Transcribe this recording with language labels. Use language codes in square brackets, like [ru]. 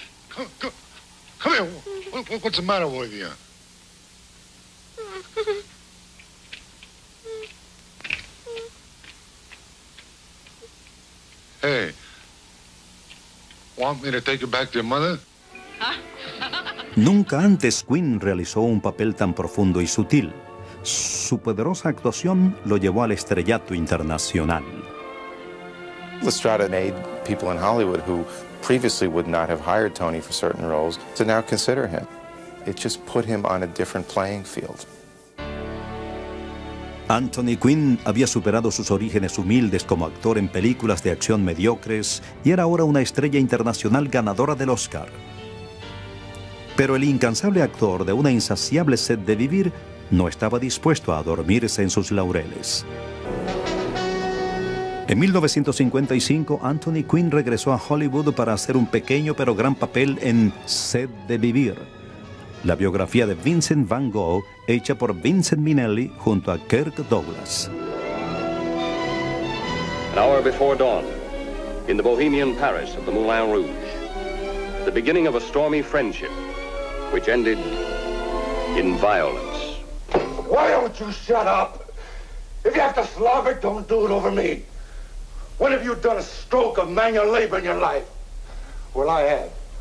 [en] Come here. What's the matter with you? Hey, want me to take you back to your mother? [es] Nunca antes Quinn realizó un papel tan profundo y sutil. Su poderosa actuación lo llevó al estrellato internacional. [en] La Strada made people in Hollywood who previously would not have hired Tony for certain roles to now consider him. It just put him on a different playing field. [es] Anthony Quinn había superado sus orígenes humildes como actor en películas de acción mediocres y era ahora una estrella internacional ganadora del Oscar. Pero el incansable actor de una insaciable sed de vivir no estaba dispuesto a dormirse en sus laureles. En 1955, Anthony Quinn regresó a Hollywood para hacer un pequeño pero gran papel en Sed de Vivir, la biografía de Vincent Van Gogh, hecha por Vincent Minnelli junto a Kirk Douglas. [en] An hour before dawn, in the Bohemian Paris of the Moulin Rouge, the beginning of a stormy friendship, which ended in violence. Why don't you shut up? If you have to slobber, don't do it over me. When have you done a stroke of manual labor in your life? Well, I have.